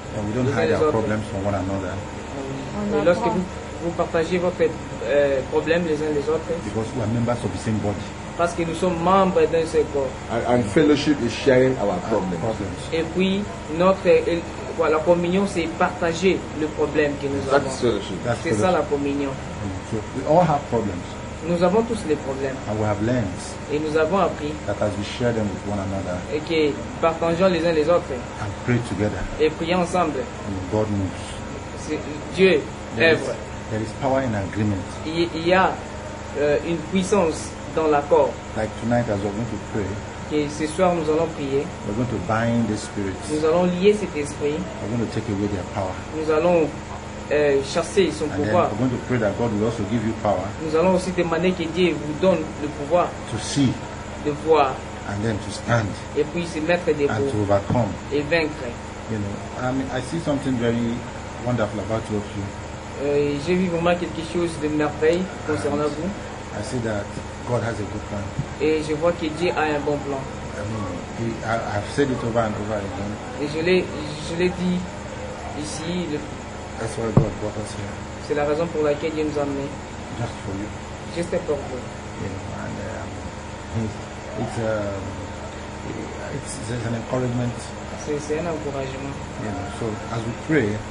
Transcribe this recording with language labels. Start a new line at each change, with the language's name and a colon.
English: And we don't hide our problems from one another.
French: Et lorsque vous partagez votre problème les uns les autres.
English: Because we are members of the same body.
French: Parce que nous sommes membres d'un seul corps.
English: And fellowship is sharing our problems.
French: Et puis la communion c'est partager le problème que nous
English: That's
French: avons.
English: Fellowship.
French: C'est
English: fellowship.
French: Ça la communion.
English: Mm. So we all have problems.
French: Nous avons tous les problèmes.
English: And we have learned.
French: Et nous avons appris.
English: That as we share them with one another.
French: Et que partageons les uns les autres.
English: And pray together.
French: Et prions ensemble.
English: And God moves.
French: C'est Dieu.
English: There is power in agreement.
French: Il y a une puissance dans l'accord.
English: Like tonight, as we're going to pray.
French: Et ce soir, nous allons prier.
English: We're going to bind the spirits.
French: Nous allons lier cet esprit.
English: We're going to take away their power.
French: Nous allons chasser son
English: and
French: pouvoir.
English: We're going to pray that God will also give you power.
French: Nous allons aussi demander que Dieu vous donne le pouvoir.
English: To see.
French: De voir.
English: And then to stand.
French: Et puis se mettre debout.
English: And to overcome.
French: Et vaincre.
English: You know, I see something very wonderful about two of you.
French: J'ai vu vraiment quelque chose de merveilleux concernant and vous.
English: I see that God has a good plan.
French: Et je vois que Dieu a un bon plan.
English: I mean, I've said it over and over again.
French: Et je l'ai dit ici.
English: That's why God brought us here.
French: C'est la raison pour laquelle Dieu nous a amené.
English: Just for you.
French: Juste pour vous.
English: You know, and it's an encouragement.
French: C'est un encouragement.
English: You know, so as we pray.